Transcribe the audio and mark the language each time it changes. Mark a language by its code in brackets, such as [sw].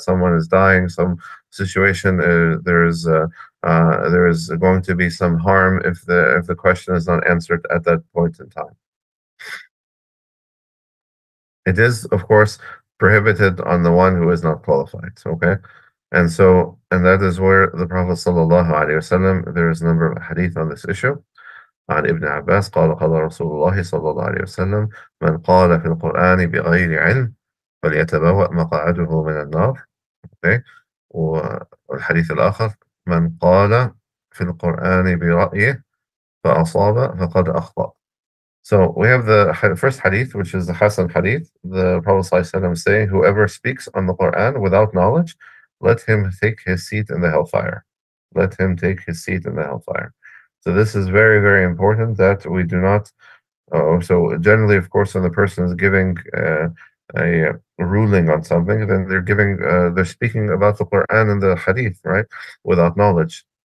[en] Someone is dying, some situation, there is going to be some harm if the question is not answered at that point in time. It is, of course, prohibited on the one who is not qualified, okay? And so, and that is where the Prophet sallallahu alaihi wasallam, there is a number of hadith on this issue. [ar] عن ابن عباس قال قال رسول الله صلى الله عليه وسلم من قال في القرآن بغير علم فليتبوأ مقعده من النار. [en] Okay. [ar] والحديث الآخر من قال في القرآن برأيه فأصاب فقد أخطأ. [en] So we have the first hadith, which is the Hassan hadith. The Prophet [ar] صلى الله عليه وسلم [en] saying, whoever speaks on the Quran without knowledge, let him take his seat in the hellfire. Let him take his seat in the hellfire. So this is very, very important that we do not, so generally, of course, when the person is giving a ruling on something, then they're giving, they're speaking about the Quran and the Hadith, right, without knowledge.